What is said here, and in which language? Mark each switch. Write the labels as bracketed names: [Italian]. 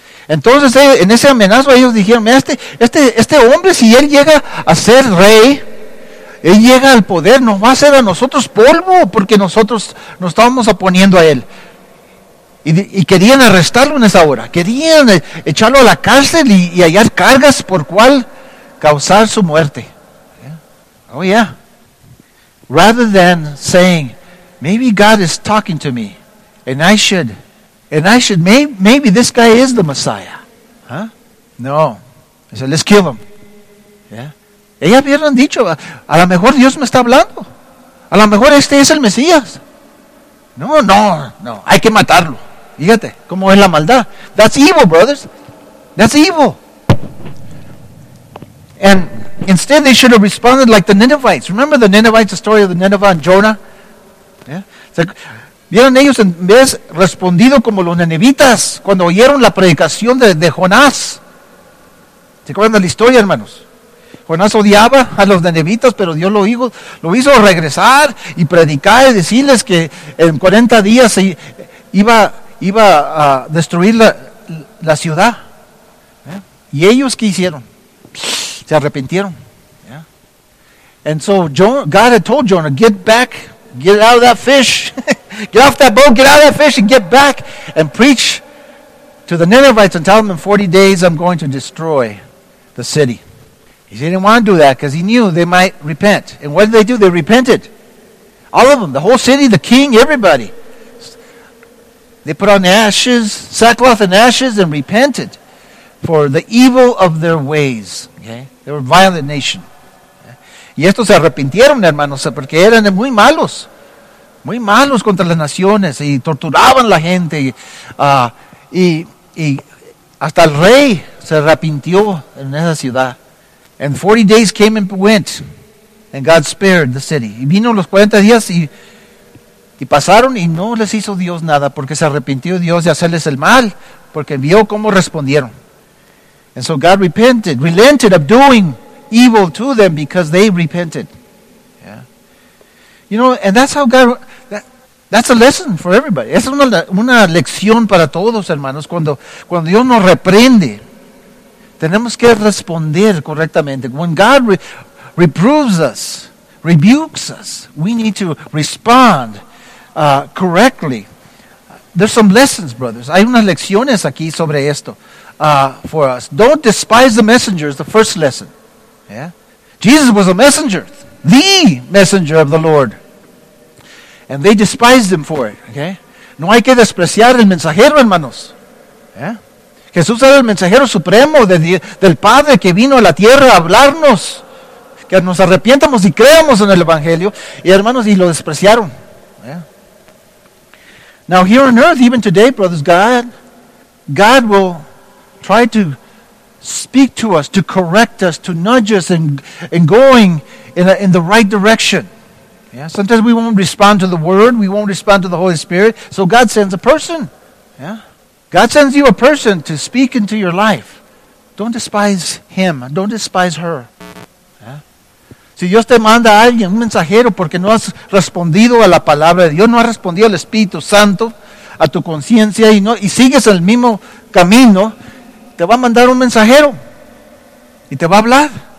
[Spanish] Entonces, en ese amenazo, ellos dijeron, este hombre, si él llega a ser rey, él llega al poder, nos va a hacer a nosotros polvo, porque nosotros nos estábamos oponiendo a él. Y querían arrestarlo en esa hora. Querían echarlo a la cárcel y hallar cargas por cual causar su muerte. Yeah. Oh, yeah. [English] Rather than saying, maybe God is talking to me, maybe this guy is the Messiah. Huh? No. I said, let's kill him. Yeah. [Spanish] Ellos habían dicho, a lo mejor Dios me está hablando. A lo mejor este es el Mesías. No. Hay que matarlo. Fíjate, cómo es la maldad. [English] That's evil, brothers. That's evil. And instead, they should have responded like the Ninevites. Remember the Ninevites, the story of the Nineveh and Jonah? Yeah. [Spanish] Vieron ellos en vez respondido como los ninevitas cuando oyeron la predicación de Jonás. ¿Se acuerdan de la historia, hermanos? Jonás odiaba a los ninevitas, pero Dios lo hizo regresar y predicar y decirles que en 40 días se iba a destruir la ciudad. ¿Eh? ¿Y ellos qué hicieron? Se arrepintieron. ¿Yeah? [English] And so God had told Jonah, get back, get out of that fish, get off that boat, get out of that fish and get back and preach to the Ninevites and tell them in 40 days I'm going to destroy the city. He didn't want to do that because he knew they might repent. And what did they do? They repented. All of them, the whole city, the king, everybody. They put on ashes, sackcloth and ashes, and repented for the evil of their ways. Okay? They were a violent nation. [Spanish] Y estos se arrepintieron, hermanos, porque eran muy malos. Muy malos contra las naciones y torturaban la gente. Y hasta el rey se arrepintió en esa ciudad. [English] And 40 days came and went, and God spared the city. [Spanish] Y vino los 40 días y pasaron y no les hizo Dios nada porque se arrepintió Dios de hacerles el mal porque vio cómo respondieron. [English] And so God relented of doing evil to them because they repented. Yeah. You know, and that's how God, that's a lesson for everybody. [Spanish] Es una lección para todos, hermanos. Cuando Dios nos reprende, tenemos que responder correctamente. [English] When God reproves us, rebukes us, we need to respond correctly. There's some lessons, brothers. [Spanish] Hay unas lecciones aquí sobre esto [English] for us. Don't despise the messenger is the first lesson. Yeah? Jesus was a messenger, the messenger of the Lord. And they despised him for it. Okay? [Spanish] No hay que despreciar el mensajero, hermanos. [English] Yeah? [Spanish] Jesús era el mensajero supremo del Padre que vino a la tierra a hablarnos, que nos arrepientamos y creamos en el Evangelio. Y hermanos, y lo despreciaron. [English] Yeah. Now here on earth, even today, brothers, God will try to speak to us, to correct us, to nudge us and going in the right direction. Yeah. Sometimes we won't respond to the Word, we won't respond to the Holy Spirit, so God sends a person. Yeah. God sends you a person to speak into your life. Don't despise him. Don't despise her. Yeah. [Spanish] Si Dios te manda a alguien, un mensajero, porque no has respondido a la palabra de Dios, no has respondido al Espíritu Santo, a tu conciencia, y sigues el mismo camino, te va a mandar un mensajero y te va a hablar.